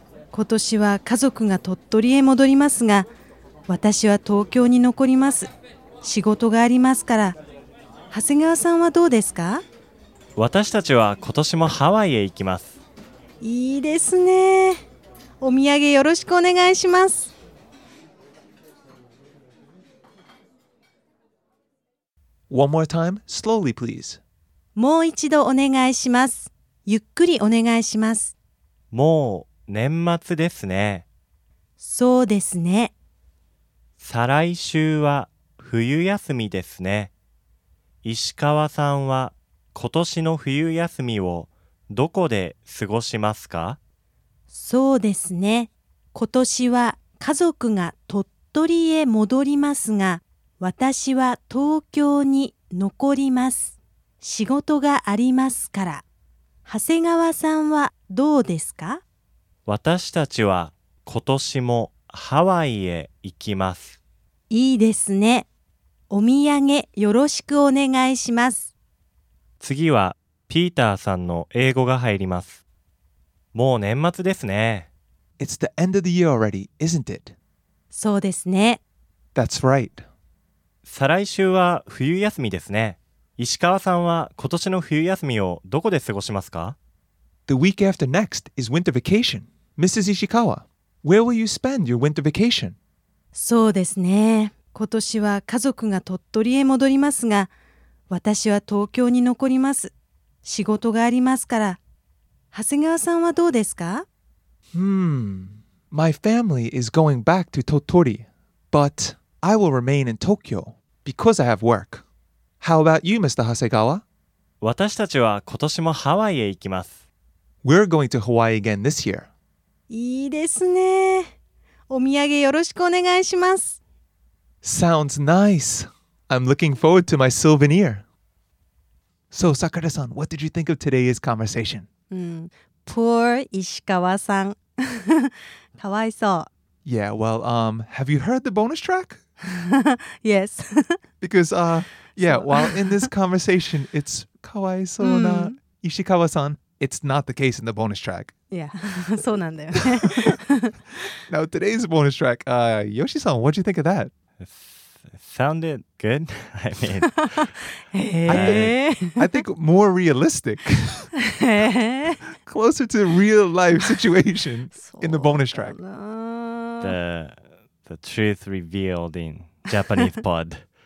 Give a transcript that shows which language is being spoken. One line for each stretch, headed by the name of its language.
Japanese: 今年は家族が鳥取へ戻りますが、私は東京に残ります。仕事がありますから。長谷川さんはどうですか？私たちは今年もハワイへ行きます。いいですね。お土産よろしくお願いします。
English: One more time, slowly, please.
Japanese: もう一度お願いします。ゆっくりお願いします。もう年末ですね。そうですね。再来週は冬休みですね。石川さんは今年の冬休みをどこで過ごしますか？そうですね。今年は家族が鳥取へ戻りますが、私は東京に残ります。仕事がありますから。長谷川さんはどうですか？私たちは今年もハワイへ行きます。いいですね。お土産よろしくお願いします。次はピーターさんの英語が入ります。もう年末ですね。
English: It's the end of the year already, isn't it?
Japanese: そうですね。
English: That's right.
Japanese: 再来週は冬休みですね。石川さんは今年の冬休みをどこで過ごしますか？
English: The week after next is winter vacation. Mrs. Ishikawa, where will you spend your winter vacation?
Japanese: そうですね。今年は家族が鳥取へ戻りますが、私は東京に残ります。仕事がありますから。長谷川さんはどうですか？
English: My family is going back to Tottori, but I will remain in Tokyo because I have work. How about you, Mr. Hasegawa?
Japanese: 私たちは今年もハワイへ行きます。
English: We're going to Hawaii again this year.
Japanese: いいですね。お土産よろしくお願いします。
English: Sounds nice. I'm looking forward to my souvenir. So, Sakura-san, what did you think of today's conversation? Poor Ishikawa-san. Kawaisou. Yeah, well, have you heard the bonus track? Yes. Because, while in this conversation, it's
Japanese: kawaisou na
English: Ishikawa-san, it's not the case in the bonus track. Yeah, so
Japanese: なんだよね.
English: Now, today's bonus track, Yoshi-san, what'd you think of that? Sounded good. I mean, I think more realistic. Closer to real life situation in the bonus track. The truth revealed in Japanese pod.